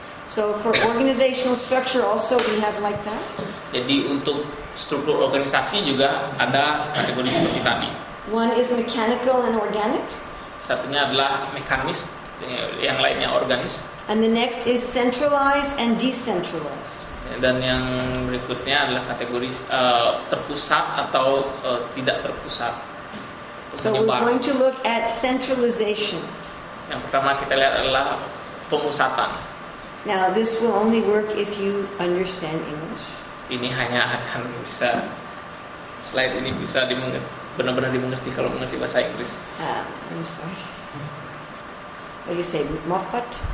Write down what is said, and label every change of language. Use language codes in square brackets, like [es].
[en] So for organizational structure also we have like that. [id] Jadi untuk struktur organisasi juga ada kategori seperti tadi. [en] One is mechanical and organic. [id] Satunya adalah mekanis, yang lainnya organis. [en] And the next is centralized and decentralized. [id] Dan yang berikutnya adalah kategori terpusat atau tidak terpusat. [en] So we're going to look at centralization. [id] Yang pertama kita lihat adalah pemusatan. [en] Now this will only work if you understand English. [id] Ini hanya akan bisa slide ini bisa benar-benar dimengerti kalau mengerti bahasa Inggris. [en] I'm sorry. What do you say, Moffat?